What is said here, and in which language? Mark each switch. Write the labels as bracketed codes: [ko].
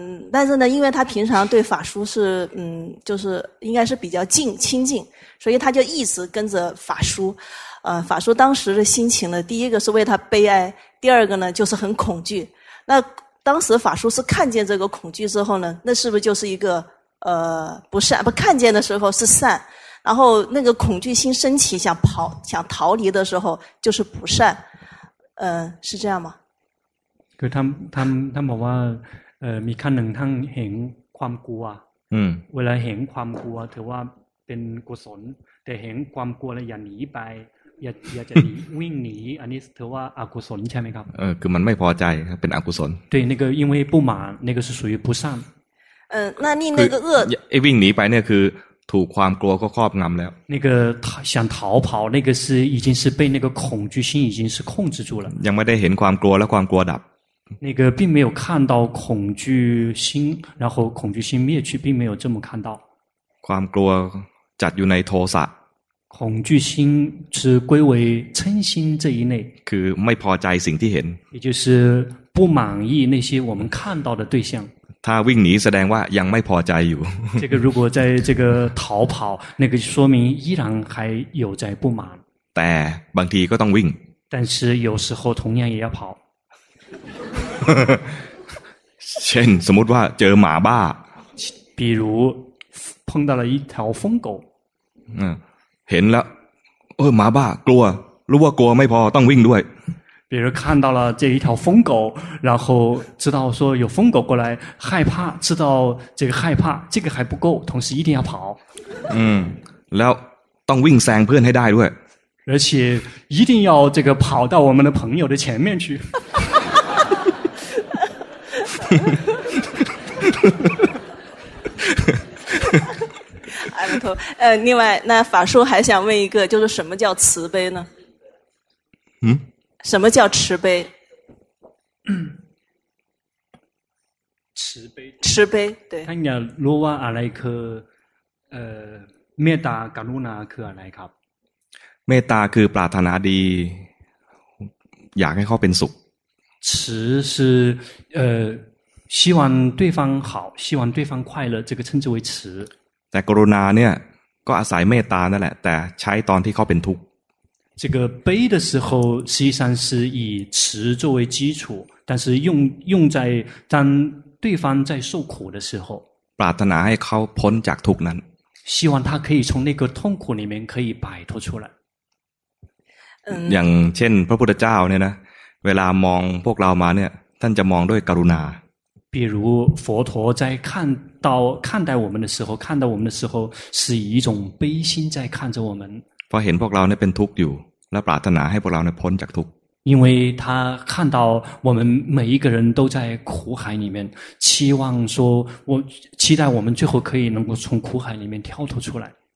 [zh] 但是呢因为他平常对法书是就是应该是比较近亲近所以他就一直跟着法书法书当时的心情呢第一个是为他悲哀第二个呢就是很恐惧那当时法书是看见这个恐惧之后呢那是不是就是一个不善不看见的时候是善然后那个恐惧心升起想逃离的时候就是不善是这样吗 [th] 그 [zh] 他们说 [th] มีขั้นหนึ่งท่านเห็นความกลัวเวลาเห็นความกลัวถือว่าเป็นกุศลแต่เห็นความกลัวแล้วอย่าหนีไปอย่าจะวิ่งหนีอันนี้ถือว่าอกุศลใช่ไหมครับ คือมันไม่พอใจเป็นอกุศล [zh] 对那个因为不满那个是属于不善那你那个恶一病离白那个土宽锅锅锅不难了那个想逃跑那个是已经是被那个恐惧心已经是控制住了 [th] ยังไม่ได้เห็นความกลัวและความกลัวดับ [zh] 那个并没有看到恐惧心然后恐惧心灭去并没有这么看到 [th] ความกลัวจัดอยู่ในโทสะ [zh] 恐惧心是归为嗔心这一类 [th] คือไม่พอใจสิ่งที่เห็น [zh] 也就是不满意那些我们看到的对象 [th] ถ้าวิ่งหนีแสดงว่ายังไม่พอใจอยู่ [zh] 这个如果在这个逃跑那个说明依然还有在不满 [th] แต่บางทีก็ต้องวิ่ง [zh] 但是有时候同样也要跑 [th] เช่นสมมติว่าเจอหมาบ้า [zh] 比如碰到了一条疯狗 [th] เห็นแล้วเออหมาบ้ากลัวรู้ว่ากลัวไม่พอต้องวิ่งด้วย [zh] 比如看到了这一条疯狗然后知道说有疯狗过来害怕知道这个害怕这个还不够同时一定要跑 [th] แล้วต้องวิ่งแซงเพื่อนให้ได้ด้วย [zh] 而且一定要这个跑到我们的朋友的前面去阿弥陀，另外，那法叔还想问一个，就是什么叫慈悲呢？嗯？什么叫慈悲？慈悲，慈悲，对。他讲罗哇阿赖克，灭达卡鲁纳克阿赖卡。 [th] 灭达คือปรารถนาดี，อยากให้เขาเป็นสุข。 [zh] 慈是希望对方好希望对方快乐这个称之为慈 [th] แต่กรุณาเนี่ยก็อาศัยเมตตานั่นแหละแต่ใช้ตอนที่เขาเป็นทุกข์ [zh] 这个悲的时候实际上是以慈作为基础但是用在当对方在受苦的时候 [th] ปรารถนาให้เขาพ้นจากทุกข์นั้น [zh] 希望他可以从那个痛苦里面可以摆脱出来 [th] อย่างเช่นพระพุทธเจ้าเนี่ยนะเวลามองพวกเรามาเนี่ยท่านจะมองด้วยกรุณา [zh] 比如佛陀在看待我们的时候看到我们的时候是以一种悲心在看着我们 [th] พอเห็นพวกเราเนี่ยเป็นทุกข์อยู่และปรารถนาให้พวกเราเนี่ยพ้นจากทุกข์ [zh] 因为他看到我们每一个人都在苦海里面期望说我期待我们最后可以能够从苦海里面跳脱出来